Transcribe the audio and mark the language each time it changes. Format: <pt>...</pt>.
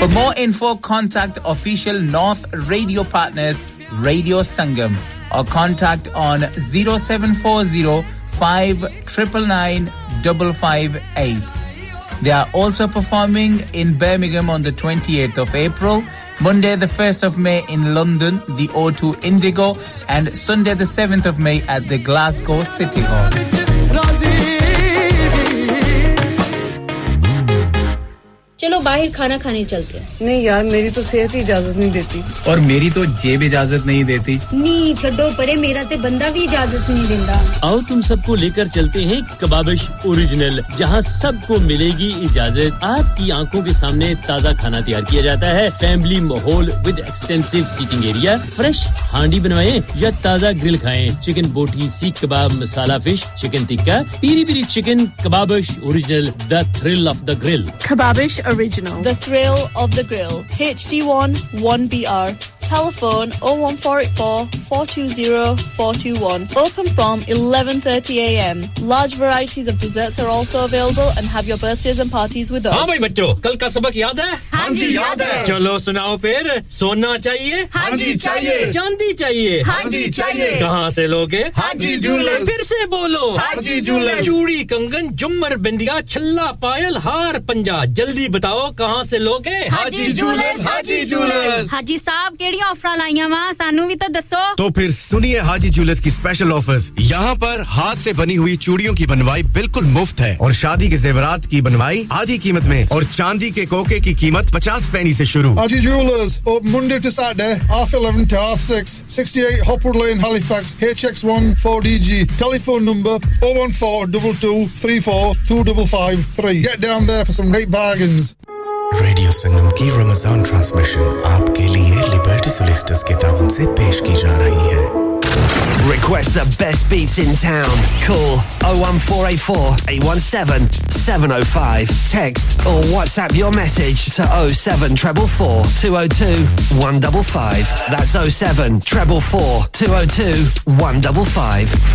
<en>For more info, contact official North Radio Partners Radio Sangam or contact on 0740-599-558. They are also performing in Birmingham on the 28th of April, Monday the 1st of May in London, the O2 Indigo, and Sunday the 7th of May at the Glasgow City Hall.</en> <hi>चलो बाहर खाना खाने चलते हैं. नहीं यार मेरी तो सेहत ही इजाजत नहीं देती. और मेरी तो जेब इजाजत नहीं देती. नहीं छोड़ो परे, मेरा तो बंदा भी इजाजत नहीं देता. आओ तुम सबको लेकर चलते हैं कबाबिश ओरिजिनल, जहां सबको मिलेगी इजाजत. आपकी आंखों के सामने ताजा खाना तैयार किया जाता है, फैमिली माहौल</hi> <en>With extensive seating area.</en> <hi>Fresh हांडी बनवाएं या ताजा ग्रिल खाएं. चिकन बोटी, सीख कबाब, मसाला fish, chicken tikka, Piri Piri chicken.</hi> <en>Kababish original, the thrill of the grill. Kababish Original. The Thrill of the Grill. HD1 1BR. Telephone 01484 420421. Open from 11:30 a.m. Large varieties of desserts are also available and have your birthdays and parties with us.</en> <hi>हाँ भाई बच्चों, कल का सबक याद है? हाँ जी याद है. चलो सुनाओ फिर. सोना चाहिए? हाँ जी चाहिए. चांदी चाहिए? हाँ जी चाहिए. कहाँ से लोगे? हाँ जी ज्वेलर्स. फिर से बोलो. हाँ जी ज्वेलर्स. चूड़ी, कंगन, जुमर, बिंदिया, छल्ला, पायल, हार, पंजा. जल्दी बताओ कहाँ से लोगे? हाँ जी ज्वेलर्स. हाँ जी ज्वेलर्स.</hi> <pa>हाँ जी साहब, केड़ी ऑफर लाइया वहाँ, सानू भी तो दसो.</pa> <hi>तो फिर सुनिए हाजी ज्वेलर्स की स्पेशल ऑफर्स. यहाँ पर हाथ से बनी हुई चूड़ियों की बनवाई बिल्कुल मुफ्त है, और शादी के जेवरात की बनवाई आधी कीमत में, और चांदी के कोके की कीमत 50 पैनी से शुरू.</hi> <en>Haji jewellers, open Monday to Saturday, half 11 to half 6, 68 Hopwood Lane, Halifax, HX1 4DG. Telephone number 01422342553. Get down there for some great bargains.</en> <hi>Radio संगम की रमजान ट्रांसमिशन आपके लिए लिबर्टी सोलिस्टर्स के तावन से पेश की जा रही है.</hi> <en>Request the best beats in town. Call 01484 817 705. Text or WhatsApp your message to 07444 202 155. That's 07444 202 155.</en>